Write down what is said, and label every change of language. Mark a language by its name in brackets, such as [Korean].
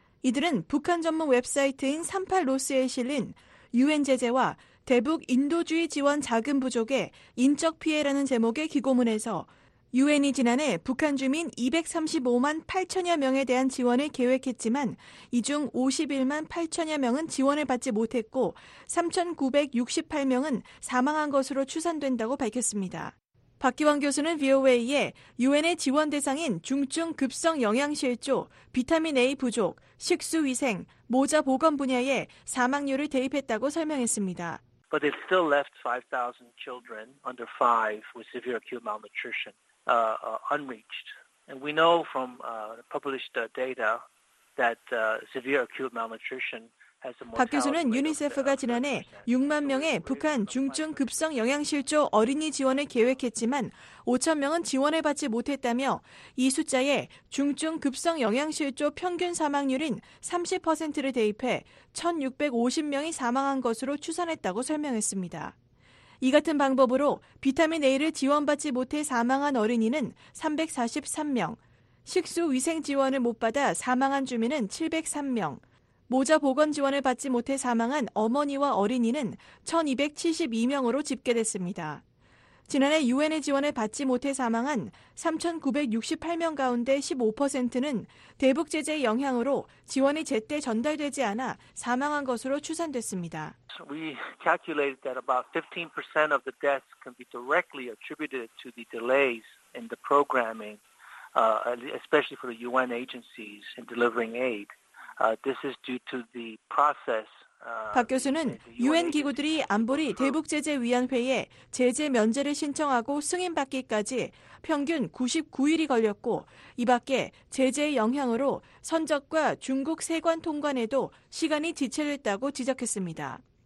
[Korean] 이들은 북한 전문 웹사이트인 38로스에 실린 유엔 제재와 대북 인도주의 지원 자금 부족의 인적 피해라는 제목의 기고문에서 유엔이 지난해 북한 주민 235만 8천여 명에 대한 지원을 계획했지만 이 중 51만 8천여 명은 지원을 받지 못했고 3,968명은 사망한 것으로 추산된다고 밝혔습니다. 박기원 교수는 VOA에 유엔의 지원 대상인 중증 급성 영양실조, 비타민 A 부족, 식수위생, 모자 보건 분야에 사망률을 대입했다고 설명했습니다. [English] But it still left 5,000 children under five with severe acute malnutrition unreached. And we know from published data that severe acute malnutrition [Korean] 박 교수는 유니세프가 지난해 6만 명의 북한 중증 급성 영양실조 어린이 지원을 계획했지만 5천 명은 지원을 받지 못했다며 이 숫자에 중증 급성 영양실조 평균 사망률인 30%를 대입해 1,650명이 사망한 것으로 추산했다고 설명했습니다. 이 같은 방법으로 비타민 A를 지원받지 못해 사망한 어린이는 343명, 식수 위생 지원을 못 받아 사망한 주민은 703명, 모자 보건 지원을 받지 못해 사망한 어머니와 어린이는 1,272명으로 집계됐습니다. 지난해 UN의 지원을 받지 못해 사망한 3,968명 가운데 15%는 대북 제재의 영향으로 지원이 제때 전달되지 않아 사망한 것으로 추산됐습니다. [English] We calculated that about 15% of the deaths can be directly attributed to the delays in the programming, especially for the UN agencies in delivering aid. This is due to the process. [Korean] 박 교수는 UN 기구들이 안보리 대북 제재 위원회에 제재 면제를 신청하고 승인받기까지 평균 99일이 걸렸고 이 밖에 제재의 영향으로 선적과 중국 세관 통관에도 시간이 지체됐다고 지적했습니다.